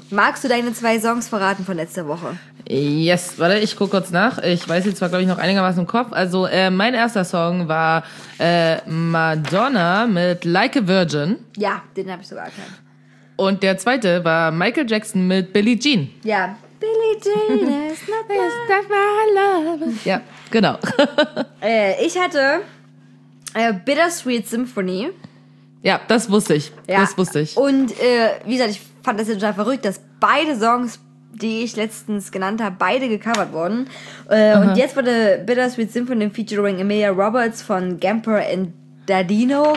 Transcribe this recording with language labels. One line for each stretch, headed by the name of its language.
German: Magst du deine zwei Songs verraten von letzter Woche? Yes, warte, ich guck kurz nach. Ich weiß jetzt zwar, glaube ich, noch einigermaßen im Kopf. Also, mein erster Song war Madonna mit Like a Virgin. Ja, den habe ich sogar erkannt. Und der zweite war Michael Jackson mit Billie Jean. Ja.
English: Billie Jean is not my love.
German: Ja, genau. Ich hatte Bittersweet Symphony. Ja, das wusste ich. Ja. Das wusste ich. Und wie gesagt, ich fand das jetzt schon verrückt, dass beide Songs, die ich letztens genannt habe, beide gecovert wurden. Und jetzt wurde Bittersweet Symphony featuring Emilia Roberts von Gamper and Dadino.